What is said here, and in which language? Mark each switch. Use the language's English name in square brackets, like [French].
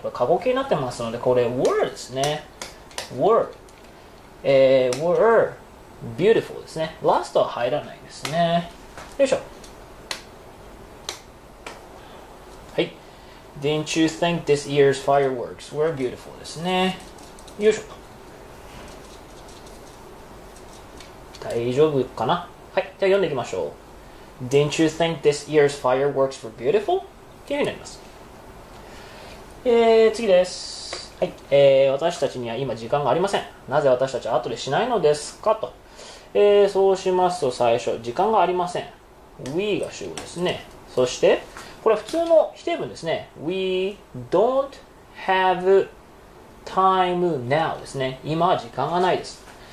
[Japanese] これ過去形になってますので、これ were ですね。 were beautiful ですね。ラストは入らないですね。よいしょ。 [English] Didn't you think this year's fireworks were beautiful [Japanese] ですね。よいしょ。大丈夫かな？はい。じゃあ読んでいきましょう。 [English] Didn't you think this year's fireworks were beautiful? [Japanese] っていうふうになります。次です。はい。私たちには今時間がありません。なぜ私たちは後でしないのですかと。そうしますと、最初、時間がありません。We が主語ですね。そして、これは普通の否定文ですね。 [English] We don't have time now [Japanese] ですね。今は時間がないです。